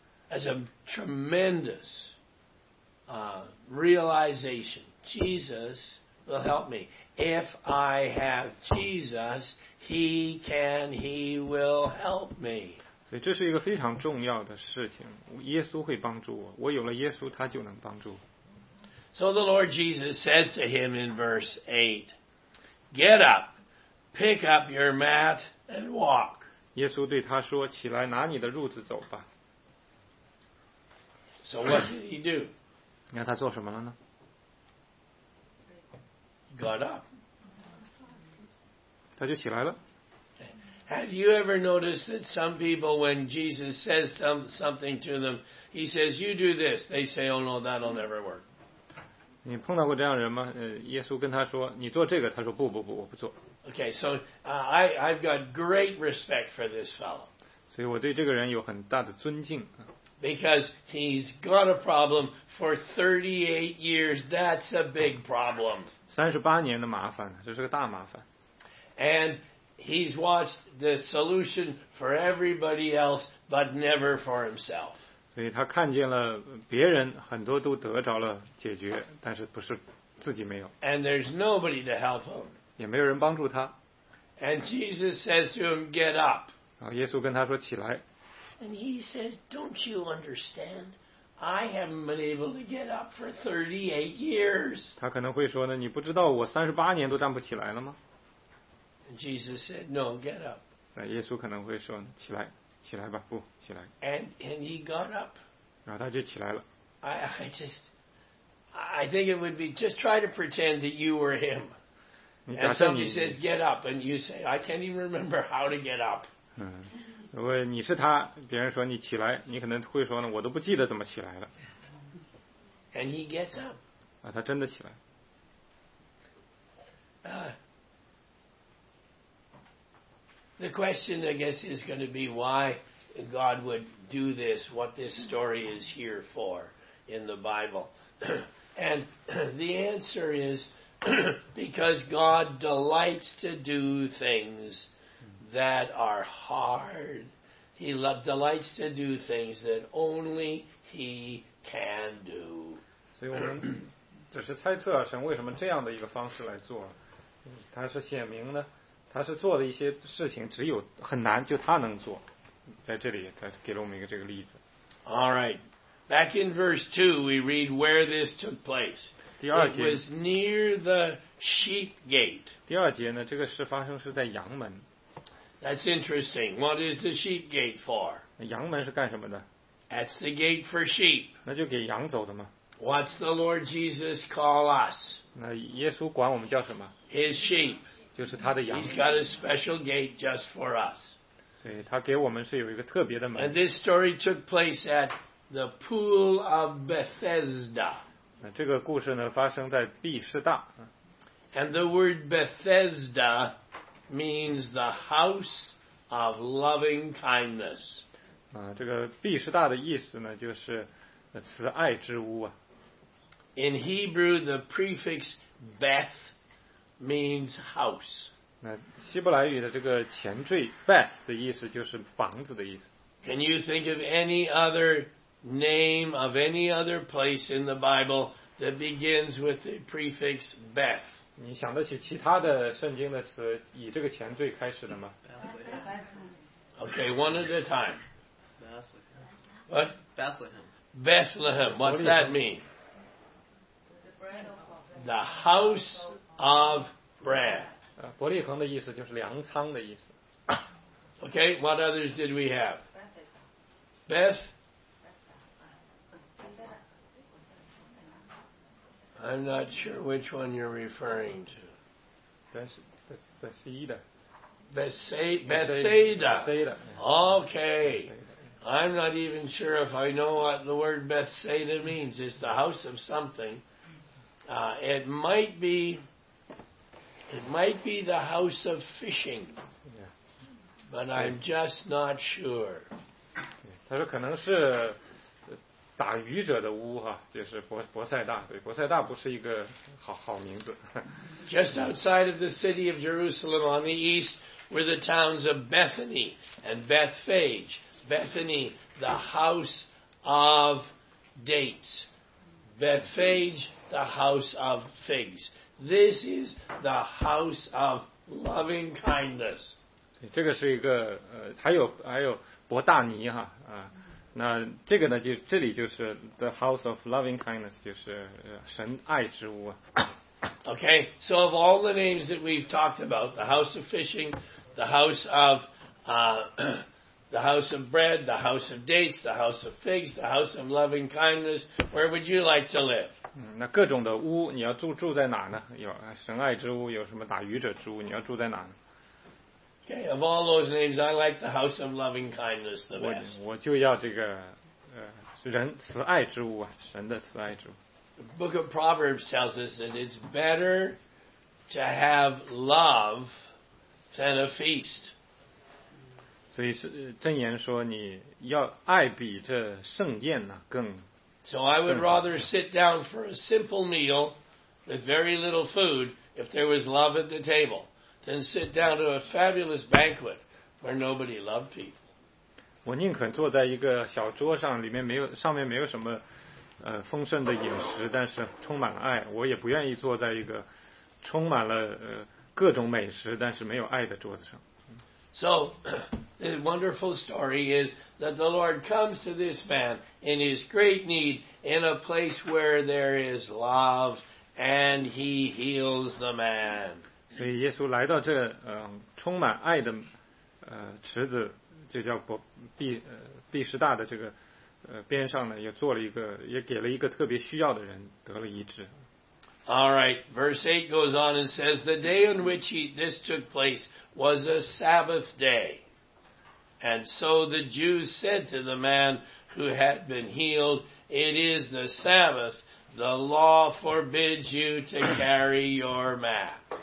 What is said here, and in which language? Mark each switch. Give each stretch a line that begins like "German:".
English: As a tremendous realization, Jesus will help me. If I have Jesus, he will help me.
Chinese: 所以这是一个非常重要的事情，耶稣会帮助我，我有了耶稣他就能帮助我。
English: So the Lord Jesus says to him in verse 8, Get up, pick up your mat and walk.
Chinese: 耶稣对他说，起来拿你的褥子走吧。
English: So what did he do?
Chinese: 你看他做什么了呢？
English: Got up.
Chinese: 他就起来了。
English: Have you ever noticed that some people, when Jesus says something to them, he says, you do this. They say, oh no, that'll never work.
Chinese: 你碰到过这样人吗？耶稣跟他说，你做这个，他说，不不不，我不做。
English: Okay, so I've got great respect for this fellow.
Chinese: 所以我对这个人有很大的尊敬。
English: Because he's got a problem for 38 years. That's a big problem.
Chinese: 38年的麻烦，这是个大麻烦。
English: And... He's watched the solution for everybody else, but never for himself.
Chinese: 所以他看见了别人很多都得着了解决，但是不是自己没有。
English: And there's nobody to help him.
Chinese: 也没有人帮助他。
English: And Jesus says to him, "Get up."
Chinese: 然后耶稣跟他说起来。
English: And he says, "Don't you understand? I haven't been able to get up for 38 years."
Chinese: 他可能会说呢，你不知道我38年都站不起来了吗？
English: Jesus said, "No, get up."
Chinese: 耶稣可能会说，起来，起来吧，不，起来。
English: And he got up.
Chinese: 然后他就起来了。
English: I think it would be just try to pretend that you were him.
Chinese: 你假设你。
English: And somebody says, "Get up," and you say, "I can't even remember how to get up."
Chinese: 如果你是他，别人说你起来，你可能会说呢，我都不记得怎么起来了。
English: And he gets up.
Chinese: 他真的起来。
English: The question, I guess, is going to be why God would do this, what this story is here for in the Bible. And the answer is because God delights to do things that are hard. He delights to do things that only He can do.
Chinese: 所以我们只是猜测啊，神为什么这样的一个方式来做，它是显明的。他是做的一些事情只有很难就他能做，在这里他给了我们一个这个例子。
English: Alright, back in verse 2 we read where this took place.
Chinese: 第二节
English: It was near the sheep gate.
Chinese: 第二节呢，这个事发生是在羊门。
English: That's interesting. What is the sheep gate for?
Chinese: 羊门是干什么的？
English: That's the gate for sheep.
Chinese: 那就给羊走的吗？
English: What's the Lord Jesus call us?
Chinese: 那耶稣管我们叫什么？
English: His sheep.
Chinese: 就是他的羊。
English: He's got a special gate just for us.
Chinese: 所以他给我们是有一个特别的门。
English: And this story took place at the pool of Bethesda.
Chinese: 这个故事呢发生在毕士大。
English: And the word Bethesda means the house of loving kindness.
Chinese: 这个毕士大的意思呢就是慈爱之屋啊。
English: In Hebrew, the prefix Beth means house.
Chinese: 那希伯来语的这个前缀 Beth 的意思就是房子的意思。
English: Can you think of any other name of any other place in the Bible that begins with the prefix Beth?
Chinese: 你想得起其他的圣经的词以这个前缀开始的吗？
English: Okay, one at a time. Bethlehem. What? Bethlehem. Bethlehem. What's that mean? The house of bread.
Chinese: 伯利恒的意思就是粮仓的意思。
English: Okay, what others did we have? Beth? I'm not sure which one you're referring to. Bethsaida. Bethsaida. Okay. I'm not even sure if I know what the word Bethsaida means. It's the house of something. It might be the house of fishing, but I'm just not sure.
Chinese: 他说可能是打鱼者的屋哈，就是伯塞大。对，伯塞大不是一个好名字。
English: Just outside of the city of Jerusalem on the east were the towns of Bethany and Bethphage. Bethany, the house of dates. Bethphage. The house of figs. This is the house of loving kindness.
Chinese: 这个是一个还有伯大尼哈啊，那这个呢就这里就是
English: the house of loving kindness，
Chinese: 就是神爱之屋。
English: Okay, so of all the names that we've talked about, the house of fishing, the house of the house of bread, the house of dates, the house of figs, the house of loving kindness, where would you like to live?
Chinese: 那各种的屋你要住在哪呢？有神爱之屋，有什么打鱼者之屋，你要住在哪呢？
English: Okay, of all those names, I like the house of loving kindness the best.
Chinese: 我就要这个人慈爱之屋啊，神的慈爱之屋。
English: The book of Proverbs tells us that it's better to have love than a feast.
Chinese: 所以是箴言说你要爱比这盛宴呢更。
English: So I would rather sit down for a simple meal with very little food if there was love at the table than sit down to a fabulous banquet where nobody loved people.
Chinese: 我宁肯坐在一个小桌上，里面没有上面没有什么丰盛的饮食，但是充满了爱。我也不愿意坐在一个充满了各种美食，但是没有爱的桌子上。
English: So, this wonderful story is that the Lord comes to this man in his great need in a place where there is love, and he heals the man.
Chinese: 所以耶稣来到这充满爱的池子，就叫毕士大的这个边上呢，也做了一个，也给了一个特别需要的人得了医治。
English: All right, verse 8 goes on and says, The day on which this took place was a Sabbath day. And so the Jews said to the man who had been healed, It is the Sabbath. The law forbids you to carry your mat.